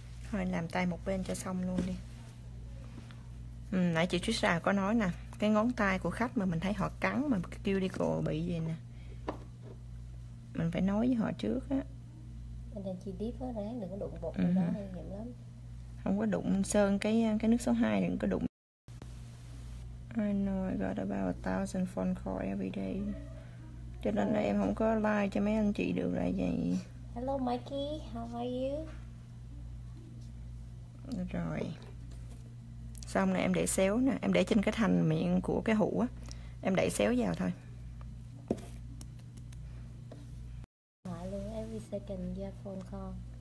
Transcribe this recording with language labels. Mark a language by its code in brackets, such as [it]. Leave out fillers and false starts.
[vi] Thôi làm tay một bên cho xong luôn đi. Nãy chị Trisha có nói nè, cái ngón tay của khách mà mình thấy họ cắn mà kêu đi cô bị gì nè, mình phải nói với họ trước á. Nên chi tiết hết ráng đừng có đụng bột đó, nguy hiểm lắm. Không có đụng sơn cái nước số 2, đừng có đụng. [en] I know I got about 1,000 phone call every day. [vi] Cho nên là em không có like cho mấy anh chị được là vậy. [en] Hello Mikey, how are you? [vi] Rồi. Xong nè, em để xéo nè, em để trên cái thành miệng của cái hũ á. Em đẩy xéo vào thôi. Hỏi luôn, [en] every second you have phone call.